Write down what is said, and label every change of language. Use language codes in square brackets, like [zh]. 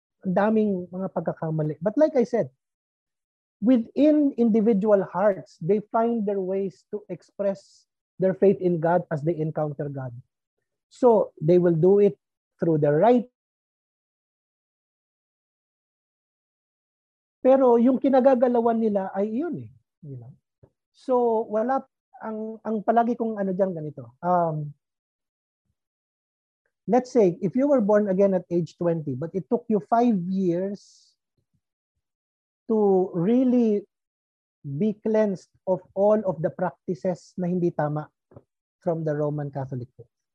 [tl] Ang daming mga pagkakamali. [en] But like I said, within individual hearts, they find their ways to express their faith in God as they encounter God. So they will do it through their right. [tl] Pero yung kinagagalawan nila ay iyon eh. So wala ang palagi kong ano diyan ganito. [en] Let's say if you were born again at age 20 but it took you 5 years to really be cleansed of all of the practices [tl] na hindi tama [en] from the Roman Catholic Church.